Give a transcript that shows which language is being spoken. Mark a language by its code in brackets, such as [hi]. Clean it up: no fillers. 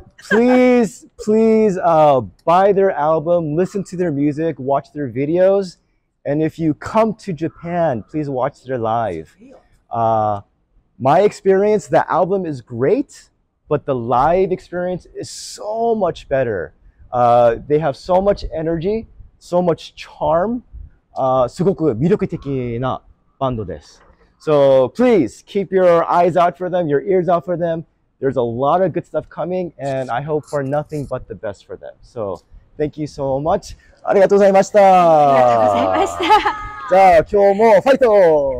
[en] Please, please, buy their album, listen to their music, watch their videos, and if you come to Japan, please watch their live. My experience, the album is great, but the live experience is so much better. They have so much energy, so much charm. [ja] すごく魅力的なバンドです。 [en] So please keep your eyes out for them, your ears out for them.There's a lot of good stuff coming, and I hope for nothing but the best for them. So, Thank you so much. [ja] ありがとうございました。ありがとうございました。じゃあ今日もファイト。